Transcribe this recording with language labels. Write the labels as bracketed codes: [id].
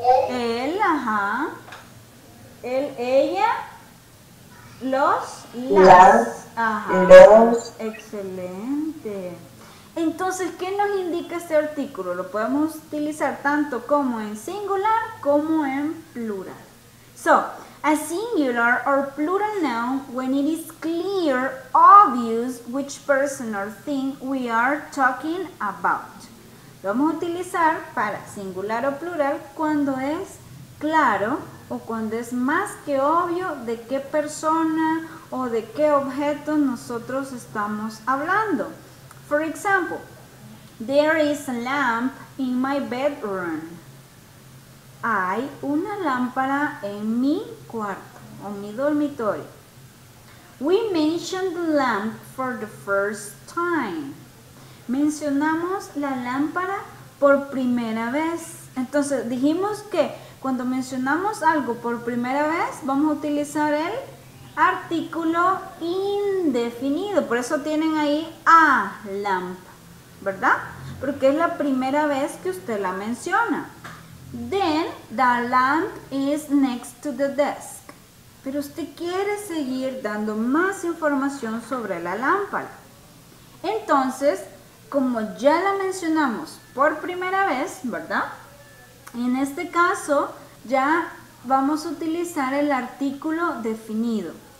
[es] Él, ajá. Él, ella, los, las. Ajá. Los. Excelente. Entonces, ¿qué nos indica este artículo? Lo podemos utilizar tanto como en singular como en plural. [en] So, a singular or plural noun when it is clear, obvious, which person or thing we are talking about. [es] Lo vamos a utilizar para singular o plural cuando es claro o cuando es más que obvio de qué persona o de qué objeto nosotros estamos hablando. [en] For example, there is a lamp in my bedroom. [es] Hay una lámpara en mi cuarto o mi dormitorio. [en] We mentioned the lamp for the first time. [es] Mencionamos la lámpara por primera vez. Entonces, dijimos que cuando mencionamos algo por primera vez, vamos a utilizar el artículo indefinido. Por eso tienen ahí a lamp, ¿verdad? Porque es la primera vez que usted la menciona. [en] Then, the lamp is next to the desk. [es] Pero usted quiere seguir dando más información sobre la lámpara. Entonces, como ya la mencionamos por primera vez, ¿verdad? En este caso, ya vamos a utilizar el artículo definido.